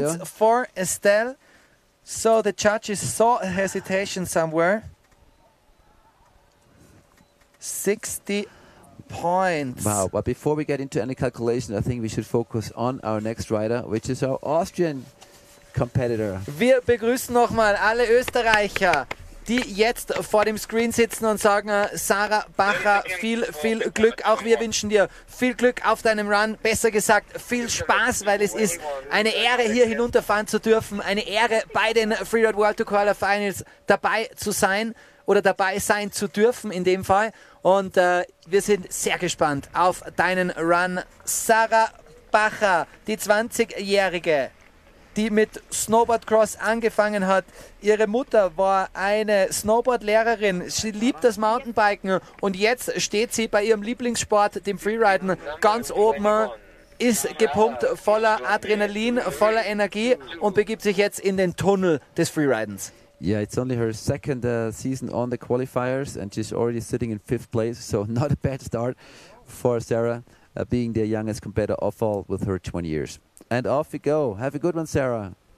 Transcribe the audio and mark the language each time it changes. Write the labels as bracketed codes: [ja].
[en] 60 points for Estelle. So the judges saw a hesitation somewhere. 60 points. Wow, but before we get into any calculation, I think we should focus on our next rider, which is our Austrian competitor. [de] Wir begrüßen nochmal alle Österreicher, die jetzt vor dem Screen sitzen und sagen, Sarah Bacher, viel, viel Glück. Auch wir wünschen dir viel Glück auf deinem Run. Besser gesagt, viel Spaß, weil es ist eine Ehre, hier hinunterfahren zu dürfen. Eine Ehre, bei den Freeride World Tour Quarterfinals dabei zu sein oder dabei sein zu dürfen in dem Fall. Und wir sind sehr gespannt auf deinen Run. Sarah Bacher, die 20-Jährige, die mit Snowboard Cross angefangen hat. Ihre Mutter war eine Snowboard-Lehrerin. Sie liebt das Mountainbiken. Und jetzt steht sie bei ihrem Lieblingssport, dem Freeriden, ganz oben, ist gepumpt, voller Adrenalin, voller Energie und begibt sich jetzt in den Tunnel des Freeridens. [en] Yeah, it's only her second season on the qualifiers, and she's already sitting in fifth place, so not a bad start for Sarah, being the youngest competitor of all with her 20 years. And off we go. Have a good one, Sarah.